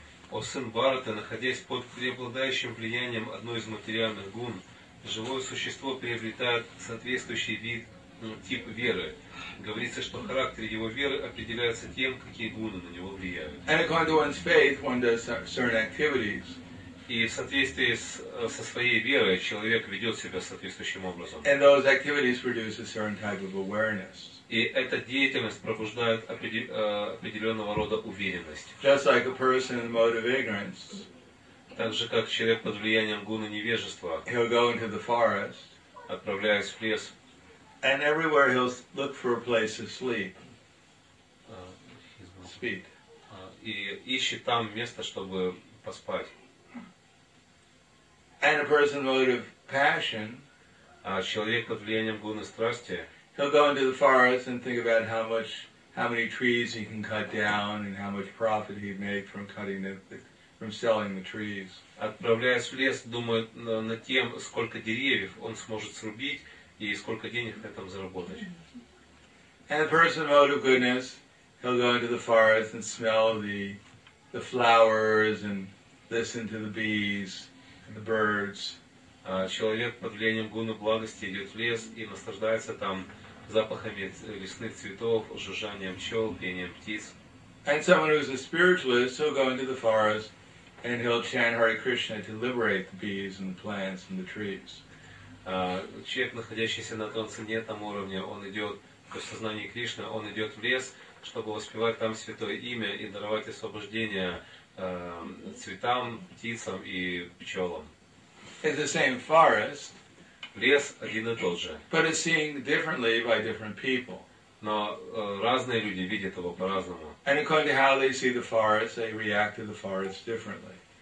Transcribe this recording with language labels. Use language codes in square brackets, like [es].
[ru] О сын Бхараты, находясь под преобладающим влиянием одной из материальных гун, живое существо приобретает соответствующий вид, тип веры. Говорится, что характер его веры определяется тем, какие гуны на него влияют. [en] And according to one's faith, one does certain activities. [ru] И в соответствии со своей верой человек ведет себя соответствующим образом. [en] And those activities produce a certain type of awareness. [ru] И эта деятельность пробуждает определенного рода уверенность. [en] Just like a person in the mode of ignorance. [ru] Так же, как человек под влиянием гуны невежества, [en] he'll go into the forest, [ru] отправляясь в лес, [en] and everywhere he'll look for a place to sleep. Speak. [ru] И ищет там место, чтобы поспать. [en] And a person mode of passion, [ru] а человек под влиянием гуны страсти, [en] he'll go into the forest and think about how many trees he can cut down and how much profit he'd make from cutting from selling the trees. [ru] Отправляясь в лес, думает над тем, сколько деревьев он сможет срубить и сколько денег на этом заработать. [en] And a person mode of goodness, he'll go into the forest and smell the flowers and listen to the bees and the birds. [ru] Человек под влиянием гуны благости идет в лес и наслаждается там запахами лесных цветов, жужжанием пчел, пением птиц. [en] And someone who is a spiritualist, he'll go into the forest and he'll chant Hare Krishna to liberate the bees and the plants and the trees. [ru] Человек, находящийся на трансцендентном уровне, он идет в сознании Кришны, он идет в лес, чтобы воспевать там святое имя и даровать освобождение цветам, птицам и пчелам. [en] It's the same forest. [ru] Лес один и тот же. [en] But it's seen differently by different people. [ru] Но разные люди видят его по-разному. [en] And according to how they see the forest, they react to the forest differently.